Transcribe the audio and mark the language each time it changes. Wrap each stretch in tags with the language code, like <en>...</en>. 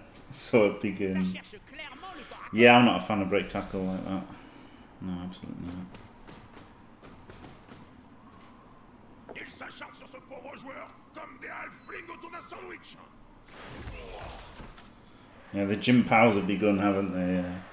<en>So it begins. Yeah, I'm not a fan of break tackle like that. No, absolutely not.</en> <fr>Il s'acharne sur ce pauvre joueur comme des halflings autour d'un sandwich.</fr> <en>Yeah, the gym pals have begun, haven't they?</en>